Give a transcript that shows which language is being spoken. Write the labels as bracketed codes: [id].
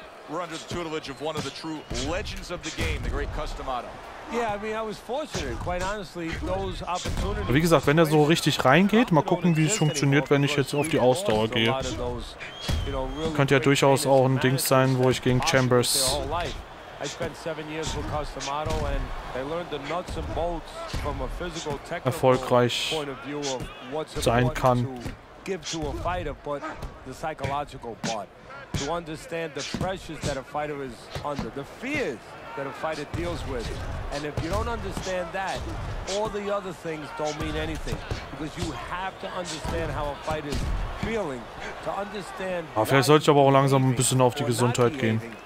[en] We're under the tutelage of one of the true legends of the game, the great Custom Auto. Yeah, I mean, I was fortunate, quite honestly, those opportunities. [de] Aber wie gesagt, wenn er so richtig reingeht, mal gucken, wie es funktioniert, wenn ich jetzt auf die Ausdauer gehe. Das könnte ja durchaus auch ein Ding sein, wo ich gegen Chambers. [en] I spent 7 years with Custom Auto and I learned the nuts and bolts from a physical technical point of view of what's [de] sein kann. [en] Give to a fighter, but the psychological part. To understand the pressures that a fighter is under, the fears that a fighter deals with. And if you don't understand that, all the other things don't mean anything. Because you have to understand how a fighter is feeling to understand. [de] Ja, vielleicht sollte ich aber auch langsam ein bisschen auf die Gesundheit gehen.